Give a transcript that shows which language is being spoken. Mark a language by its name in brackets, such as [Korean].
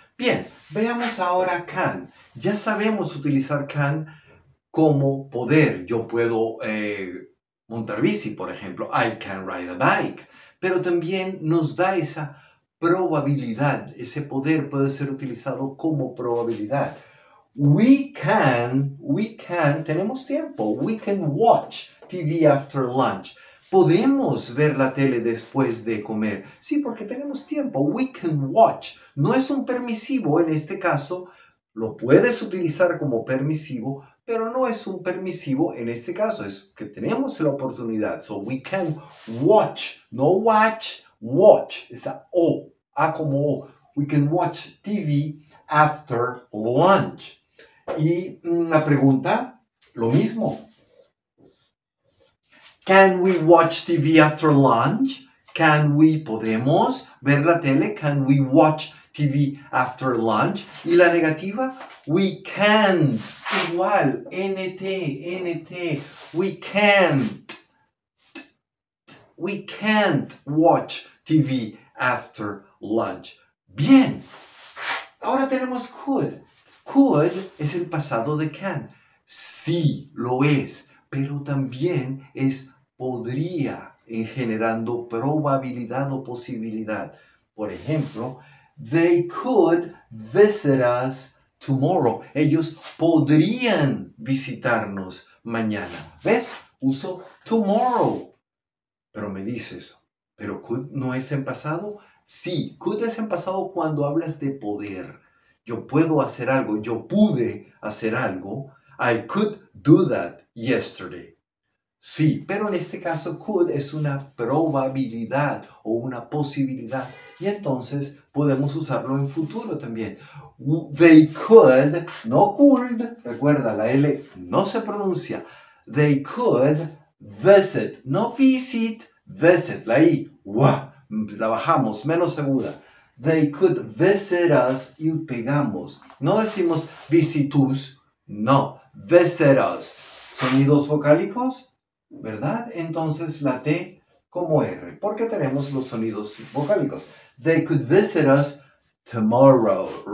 [Spanish] Bien, veamos ahora can. Ya sabemos utilizar can como poder. Yo puedo montar bici, por ejemplo. [English] I can ride a bike. [Spanish] Pero también nos da esa probabilidad, ese poder puede ser utilizado como probabilidad. [English] We can, [Spanish] tenemos tiempo. [English] We can watch TV after lunch. [Spanish] Podemos ver la tele después de comer. Sí, porque tenemos tiempo. [English] We can watch. [Spanish] No es un permisivo en este caso. Lo puedes utilizar como permisivo, pero no es un permisivo en este caso. Es que tenemos la oportunidad. [English] So we can watch, [Spanish] no watch. Watch, esa O, A como O. [English] We can watch TV after lunch. [Spanish] Y la pregunta, lo mismo. [English] Can we watch TV after lunch? Can we, [Spanish] podemos ver la tele? [English] Can we watch TV TV after lunch. [Spanish] Y la negativa, [English] we can't. [Spanish] Igual, NT, NT, we can't. [English] We can't watch TV after lunch. [Spanish] Bien. Ahora tenemos could. Could es el pasado de can. Sí, lo es. Pero también es podría, generando probabilidad o posibilidad. Por ejemplo, [English] they could visit us tomorrow. [Spanish] Ellos podrían visitarnos mañana. ¿Ves? Uso tomorrow. Pero me dices, ¿pero could no es en pasado? Sí, could es en pasado cuando hablas de poder. Yo puedo hacer algo, yo pude hacer algo. [English] I could do that yesterday. [Spanish] Sí, pero en este caso could es una probabilidad o una posibilidad. Y entonces podemos usarlo en futuro también. They could, no could, recuerda, la L no se pronuncia. They could visit, no visit, visit, la I, wow, la bajamos, menos aguda. [English] They could visit us y pegamos. [Spanish] No decimos visitus, no, visit us. ¿Sonidos vocálicos? ¿Verdad? Entonces la T como R, porque tenemos los sonidos vocálicos. [English] They could visit us tomorrow.